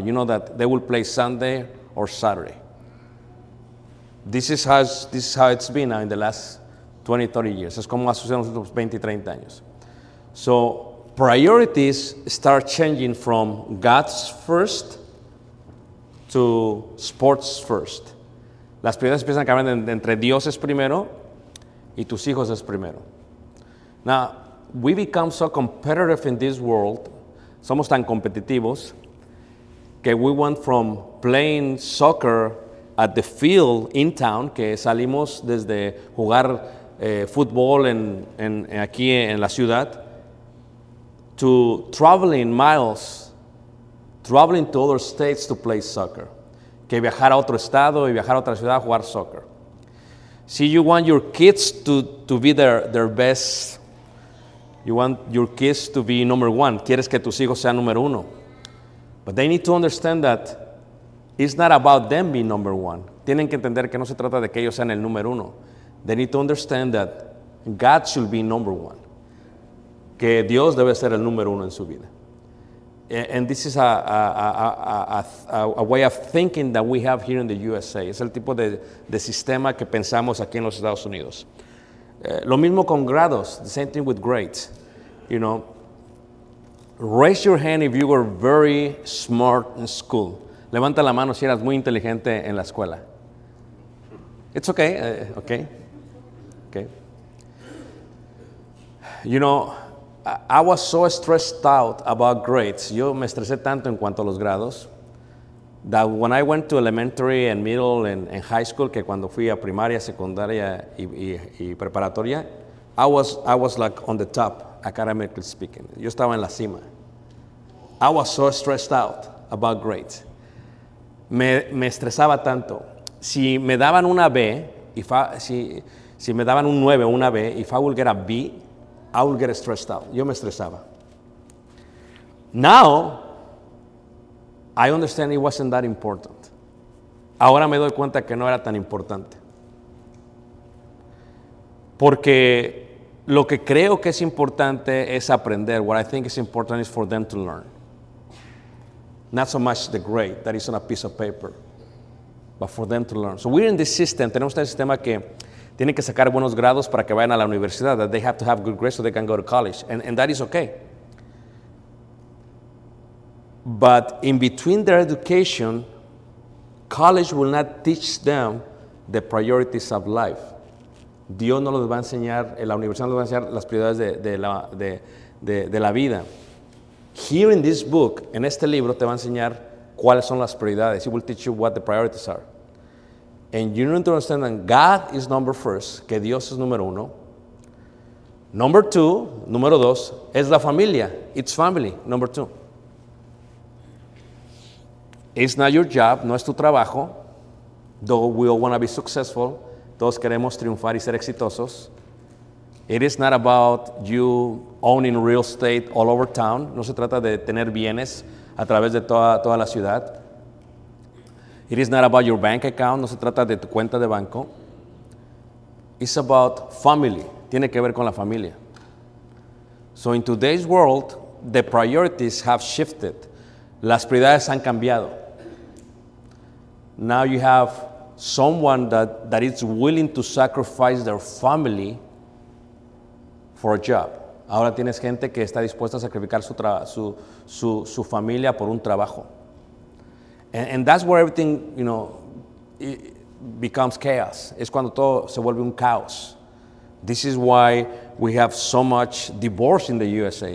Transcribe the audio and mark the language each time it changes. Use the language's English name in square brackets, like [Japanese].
[English] You know that they will play Sunday or Saturday. This is how it's been now in the last 20, 30 years. [Spanish] Es como ha sucedido en los últimos 20, 30 años. [English] So, priorities start changing from God's first to sports first. [Spanish] Las prioridades empiezan a cambiar entre Dios es primero y tus hijos es primero. [English] Now, we become so competitive in this world, [Spanish] somos tan competitivos, que [English] we went from playing soccer at the field in town, [Spanish] que salimos desde jugar fútbol en aquí en la ciudad, [English] to traveling miles, traveling to other states to play soccer. [Spanish] Que viajar a otro estado y viajar a otra ciudad a jugar soccer. [English] See, you want your kids to be their best. You want your kids to be number one. [Spanish] Quieres que tus hijos sean número uno. [English] But they need to understand that it's not about them being number one. [Spanish] Tienen que entender que no se trata de que ellos sean el número uno. [English] They need to understand that God should be number one. [Spanish] Que Dios debe ser el número uno en su vida. [English] And this is a way of thinking that we have here in the USA. [Spanish] Es el tipo de sistema que pensamos aquí en los Estados Unidos. Lo mismo con grados. [English] The same thing with grades. You know, raise your hand if you were very smart in school. [Spanish] Levanta la mano si eras muy inteligente en la escuela. [English] It's okay. Okay. You know, I was so stressed out about grades. [Spanish] Yo me estresé tanto en cuanto a los grados [English] that when I went to elementary and middle and high school, [Spanish] que cuando fui a primaria, secundaria y preparatoria, [English] I was like on the top, academically speaking. [Spanish] Yo estaba en la cima. [English] I was so stressed out about grades. [Spanish] Me estresaba tanto. Si me daban una B, si me daban un 9 o una B, [English] if I would get a B, I would get stressed out. [Spanish] Yo me estresaba. [English] Now, I understand it wasn't that important. [Spanish] Ahora me doy cuenta que no era tan importante. Porque lo que creo que es importante es aprender. [English] What I think is important is for them to learn. Not so much the grade that is on a piece of paper, but for them to learn. So we're in this system. [Spanish] Tenemos este sistema que tienen que sacar buenos grados para que vayan a la universidad. [English] That they have to have good grades so they can go to college. And that is okay. But in between their education, college will not teach them the priorities of life. [Spanish] Dios no les va a enseñar, la universidad no les va a enseñar las prioridades de la vida. [English] Here in this book, [Spanish] en este libro, te va a enseñar cuáles son las prioridades. [English] It will teach you what the priorities are. And you need to understand that God is number first, [Spanish] que Dios es número uno. [English] Number two, [Spanish] número dos, es la familia. [English] It's family, number two. It's not your job, [Spanish] no es tu trabajo. [English] Though we all want to be successful, [Spanish] todos queremos triunfar y ser exitosos. [English] It is not about you owning real estate all over town. [Spanish] No se trata de tener bienes a través de toda la ciudad. [English] It is not about your bank account. [Spanish] No se trata de tu cuenta de banco. [English] It's about family. [Spanish] Tiene que ver con la familia. [English] So in today's world, the priorities have shifted. [Spanish] Las prioridades han cambiado. [English] Now you have someone that is willing to sacrifice their family for a job. [Spanish] Ahora tienes gente que está dispuesta a sacrificar su familia por un trabajo. [English] And that's where everything, you know, it becomes chaos. [Spanish] Es cuando todo se vuelve un caos. [English] This is why we have so much divorce in the USA.